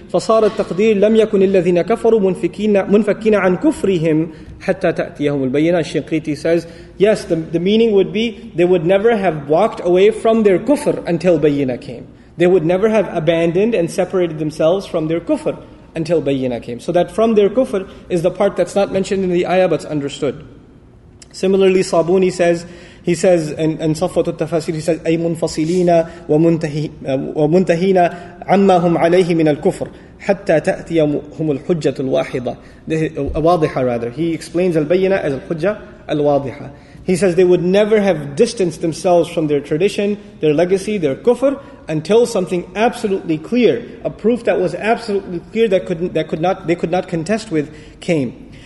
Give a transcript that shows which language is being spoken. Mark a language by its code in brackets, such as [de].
[ar] فَصَارَ التَّقْدِيرِ لَمْ يَكُنِ الَّذِينَ كَفَرُوا مُنْفَكِّينَ عَنْ كُفْرِهِمْ حَتَّى تَأْتِيَهُمُ الْبَيِّنَةِ. [en] Shinqiti says, yes, the meaning would be, they would never have walked away from their kufr until bayyinah came. They would never have abandoned and separated themselves from their kufr until bayyinah came. So that from their kufr is the part that's not mentioned in the ayah but's understood. Similarly, Sabuni says, he says in Safwat al-Tafasir, he says, [ar] أي منفصلين ومنتهين عما هم عليه من الكفر حتى تأتيهم الحجة الواحدة. [en] واضحة rather. He explains al-bayyinah as al-hujja al-wadiha. He says they would never have distanced themselves from their tradition, their legacy, their kufr, until something absolutely clear, a proof that was absolutely clear that they could not contest with, came.